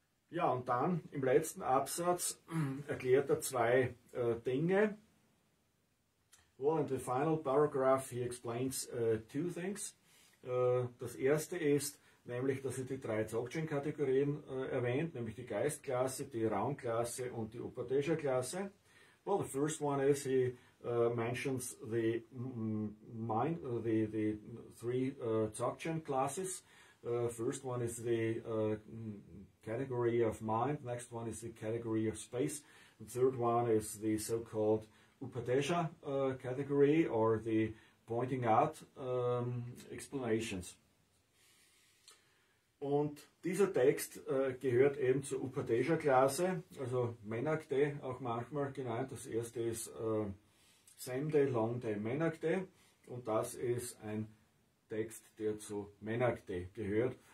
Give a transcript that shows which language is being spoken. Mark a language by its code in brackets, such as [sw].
[de] Ja, und dann im letzten Absatz erklärt zwei Dinge. [en] Well, in the final paragraph he explains two things. [de] Das erste ist, nämlich, dass er die drei Dzogchen-Kategorien erwähnt, nämlich die Geistklasse, die Raumklasse und die Upadesha-Klasse. [en] Well, the first one is, he mentions the mind, the three Dzogchen-Classes. First one is the category of mind, next one is the category of space, the third one is the so-called Upadesha category, or the pointing out explanations. [de] Und dieser Text gehört eben zur Upadesha-Klasse, also Menakde auch manchmal genannt. Das erste ist Semde, Longde, Menakde, und das ist ein Text, der zu Menakde gehört.